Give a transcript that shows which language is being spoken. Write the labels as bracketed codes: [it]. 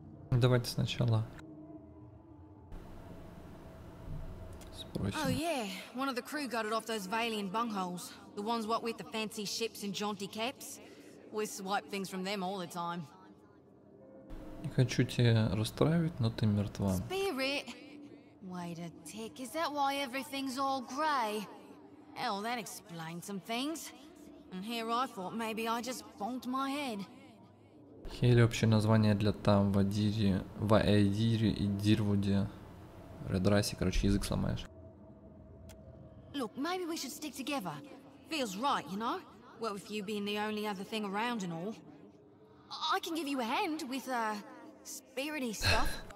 [ru] Давайте сначала. [en] Oh yeah, one of the crew got it off those Valian bungholes. The ones what with the fancy ships and jaunty caps. We swipe things from them all the time. [ru] Не хочу тебя расстраивать, но ты мертва. [en] Spirit! Wait a tick, is that why everything's all grey? Hell, that explains some things. And here I thought maybe I just bonked my head. [ru] Хейли общее название для там в Адире, в Аэдире и Дирвуде. Редрасе, короче, язык сломаешь. [en] Look, maybe we should stick together. Feels right, you know? Well, with you being the only other thing around and all. I can give you a hand with, spirity stuff.